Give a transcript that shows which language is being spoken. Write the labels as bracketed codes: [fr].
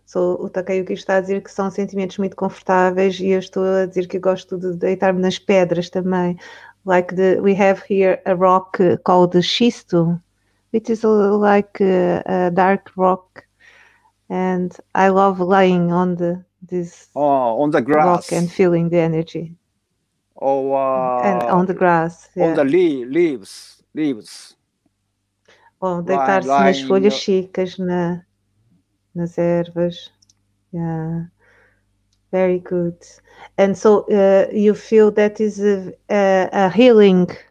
[pt] So, o Takayuki está a dizer que são sentimentos muito confortáveis e eu estou a dizer que eu gosto de deitar-me nas pedras também. [en] Like the, we have here a rock called the Xisto, which is like a dark rock. And I love lying on On the grass. Rock and feeling the energy. Oh, and on the grass. Yeah. On the leaves. [pt] Bom, deitar-se nas folhas chicas, nas ervas. [en] Yeah. Very good. And so you feel that is a healing.